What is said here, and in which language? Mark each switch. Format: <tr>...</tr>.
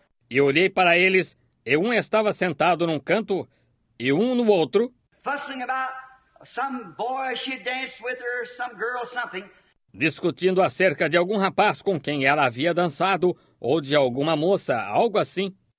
<pt>E olhei para eles e um estava sentado num canto e um no outro.</pt> <en>Fussing about some boy she danced with her, some girl, something.</en> <pt>Discutindo acerca de algum rapaz com quem ela havia dançado, ou de alguma moça, algo assim.</pt>